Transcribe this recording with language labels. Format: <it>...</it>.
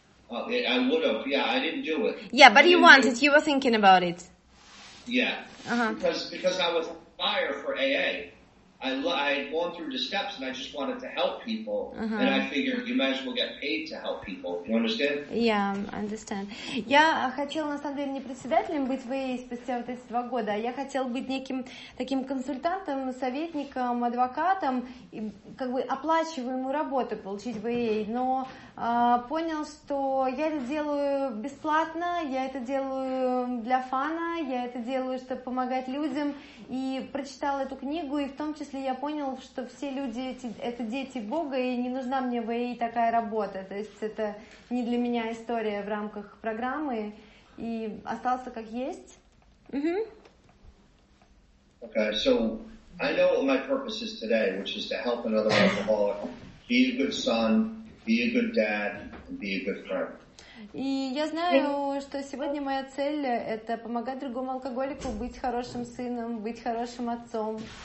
<en>I would have. Yeah, I didn't do it. Yeah, but you wanted. You were thinking about it. Yeah. Because I was on fire for AA. I'd gone through the steps, and I just wanted to help people. And I figured you might as well get paid to help people. You understand? Yeah, I understand.</en> <ru>Я хотела, на самом деле, не председателем быть в AA спустя вот эти 2 года, а я хотела быть неким таким консультантом, советником, адвокатом, и как бы оплачиваемую работу получить в AA. Но понял, что я это делаю бесплатно, я это делаю для фана, я это делаю, чтобы помогать людям. И прочитал эту книгу, и в том числе я понял, что все люди эти, это дети Бога, и не нужна мне в AA такая работа. То есть это не для меня история в рамках программы, и остался как есть.</ru> <en>Okay, so I know what my purpose is today, which is to help another alcoholic, be a good son, be a good dad, and be a good friend.</en> <ru>И я знаю, что сегодня моя цель – это помогать другому алкоголику быть хорошим сыном, быть хорошим отцом.</ru>